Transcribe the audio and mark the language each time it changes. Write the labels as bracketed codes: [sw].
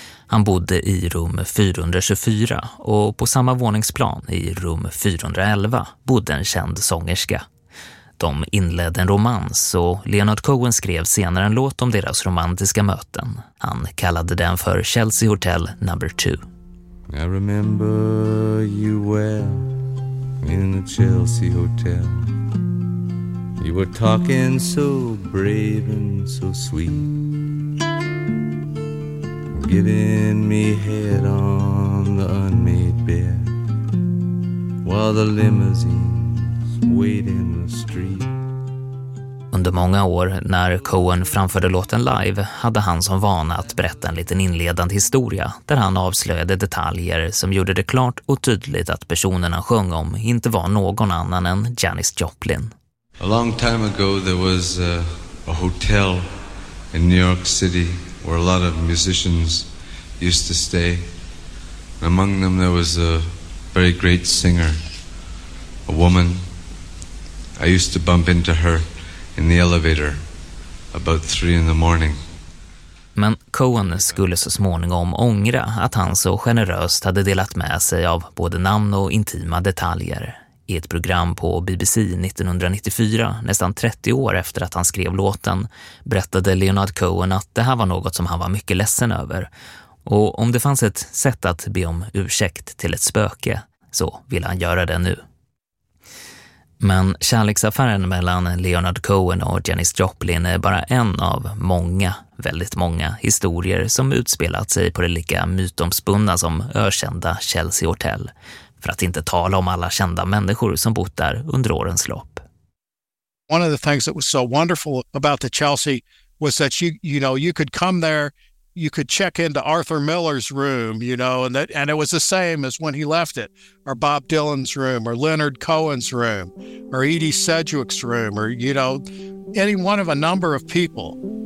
[sv] Han bodde i rum 424 och på samma våningsplan i rum 411 bodde en känd sångerska. De inledde en romans och Leonard Cohen skrev senare en låt om deras romantiska möten. Han kallade den för Chelsea Hotel No. 2. [en] I remember you well in the Chelsea Hotel. You were talking so brave and so sweet, giving me head on the unmade bed while the limousines wait in the street. [sv] Under många år när Cohen framförde låten live hade han som vana att berätta en liten inledande historia där han avslöjade detaljer som gjorde det klart och tydligt att personen han sjöng om inte var någon annan än Janis Joplin. [en] A long time ago there was a hotel in New York City where a lot of musicians used to stay. And among them there was a very great singer, a woman. I used to bump into her in the elevator about 3 in the morning. [sv] Men Cohen skulle så småningom ångra att han så generöst hade delat med sig av både namn och intima detaljer. I ett program på BBC 1994, nästan 30 år efter att han skrev låten, berättade Leonard Cohen att det här var något som han var mycket ledsen över. Och om det fanns ett sätt att be om ursäkt till ett spöke, så ville han göra det nu. Men kärleksaffären mellan Leonard Cohen och Janis Joplin är bara en av många, väldigt många, historier som utspelat sig på det lika mytomspunna som ökända Chelsea Hotel, för att inte tala om alla kända människor som bott där under årens lopp. [en] One of the things that was so wonderful about the Chelsea was that you know, you could come there, you could check into Arthur Miller's room, you know, and that, and it was the same as when he left it, or Bob Dylan's room, or Leonard Cohen's room, or Edie Sedgwick's room, or, you know, any one of a number of people.